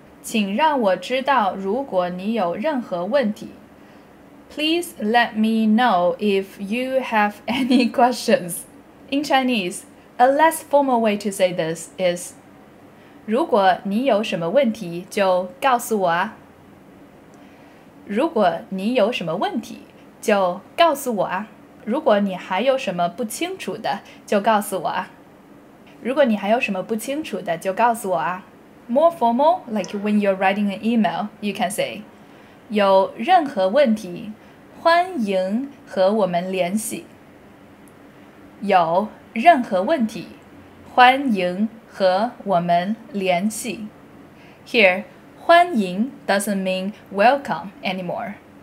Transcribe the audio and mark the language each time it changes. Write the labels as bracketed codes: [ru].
[zh] 请让我知道如果你有任何问题。 [en] Please let me know if you have any questions. In Chinese, a less formal way to say this is [zh] 如果你有什么问题就告诉我啊。如果你有什么问题就告诉我啊。如果你还有什么不清楚的就告诉我啊。如果你还有什么不清楚的就告诉我啊。 [en] More formal, like when you're writing an email, you can say, [zh] 有任何问题，欢迎和我们联系。有任何问题，欢迎和我们联系。 [en] Here, 欢迎 doesn't mean welcome anymore.